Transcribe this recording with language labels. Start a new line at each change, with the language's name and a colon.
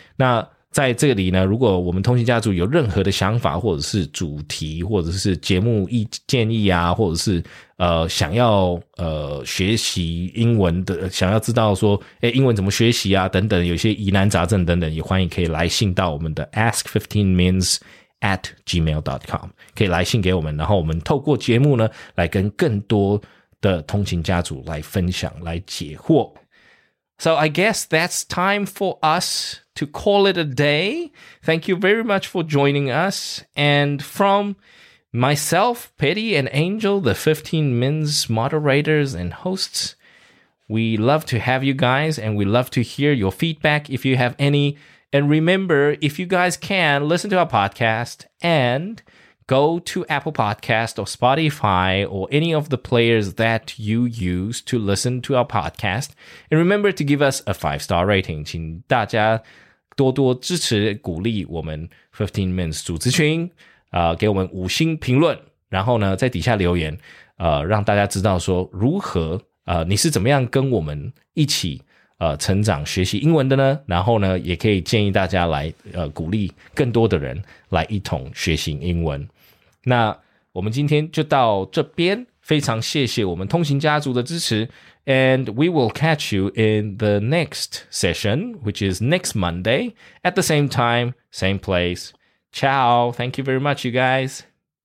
Chinese: 那在这里呢，如果我们通勤家族有任何的想法或者是主题或者是节目建议啊，或者是想要学习英文的，想要知道说诶英文怎么学习啊等等，有些疑难杂症等等，也欢迎可以来信到我们的 ask15mins@gmail.com， 可以来信给我们，然后我们透过节目呢来跟更多的通勤家族来分享来解惑。
English: So I guess that's time for us to call it a day. Thank you very much for joining us. And from myself, Patty and Angel, the 15 Men's moderators and hosts, we love to have you guys and we love to hear your feedback if you have any. And remember, if you guys can, listen to our podcast and go to Apple Podcast or Spotify or any of the players that you use to listen to our podcast. And remember to give us a 5-star rating.
Chinese: 请大家多多支持鼓励我们15 Minutes 组织群、给我们五星评论，然后呢在底下留言、让大家知道说如何、你是怎么样跟我们一起成长学习英文的呢，然后呢也可以建议大家来鼓励更多的人来一同学习英文。那我们今天就到这边，非常谢谢我们通行家族的支持，
English: and we will catch you in the next session, which is next Monday at the same time, same place. Ciao, thank you very much you guys.